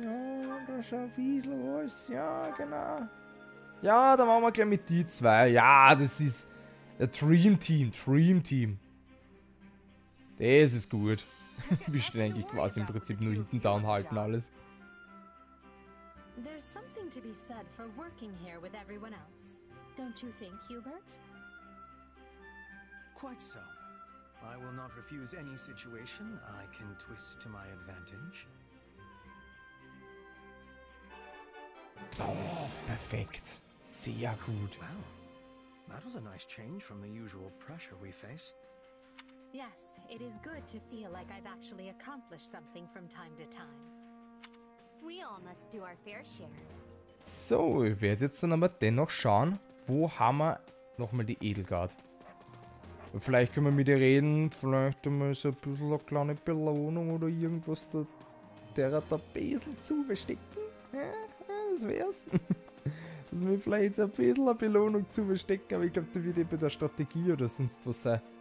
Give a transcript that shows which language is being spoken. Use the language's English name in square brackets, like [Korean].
[German] Ja, da ist ein bisschen was. Ja, genau. Ja, da machen wir gleich mit die zwei. Ja, das ist ein Dream Team, Dream Team. Das ist gut. Wir stehen eigentlich quasi im Prinzip nur hinten da und halten alles. [English] There's something to be said for working here with everyone else. Don't you think, Hubert? Quite so. I will not refuse any situation I can twist to my advantage. [German] Oh, perfekt. Sehr gut. Wow. [English] That was a nice change from the usual pressure we face. Yes, it is good to feel like I've actually accomplished something from time to time. We all must do our fair share. [German] So, ich werde jetzt dann aber dennoch schauen, wo haben wir nochmal die Edelgard. Vielleicht können wir mit ihr reden, vielleicht einmal so ein bisschen eine kleine Belohnung oder irgendwas da, derer da Besel zu verstecken. Ja, das wär's. Dass wir vielleicht so ein bisschen eine Belohnung zu verstecken, aber ich glaube, da wird eben der Strategie oder sonst was sein.